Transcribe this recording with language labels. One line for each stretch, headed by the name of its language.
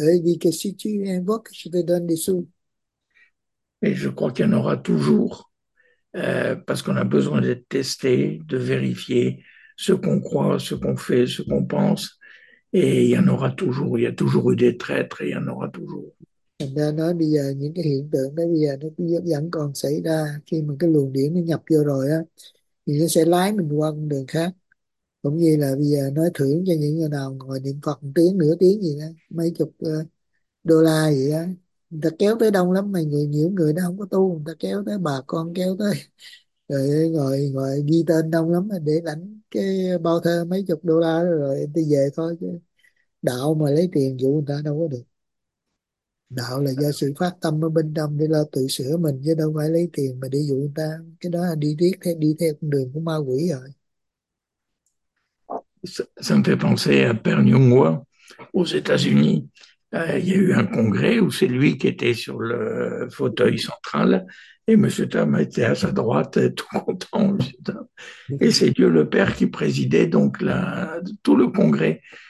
French: Eux, ils disent que si tu invoques, je te donne des sous. Et je crois qu'il y en aura toujours, parce qu'on a besoin d'être testé, de vérifier ce qu'on croit, ce qu'on fait, ce qu'on pense. Et il y en aura toujours, il y a toujours eu des traîtres et il y en aura toujours.
Vietnamese: Nên nói bây giờ những cái hiện tượng đó bây giờ nó vẫn còn xảy ra, khi mà cái luồng điển nó nhập vô rồi á thì nó sẽ lái mình qua con đường khác, cũng như là bây giờ nói thưởng cho những người nào ngồi niệm Phật 1 tiếng nửa tiếng gì đó mấy chục đô la gì đó, người ta kéo tới đông lắm, mà người nhiều người nó không có tu, người ta kéo tới bà con, kéo tới rồi ngồi ngồi ghi tên đông lắm để lãnh cái bao thơ mấy chục đô la rồi đi về thôi, chứ đạo mà lấy tiền dụ người ta đâu có được. Đạo là do sự phát tâm ở bên trong để lo tự sửa mình, chứ đâu phải lấy tiền mà đi dụ người ta. Cái đó là đi theo con đường của ma quỷ rồi.
French: Ça me fait penser à Pearl Younghoa aux États-Unis. Il y a eu un congrès où c'est lui qui était sur le fauteuil central et M. Tam était à sa droite, tout content, M. Tam. Et c'est Dieu le Père qui présidait donc tout le congrès.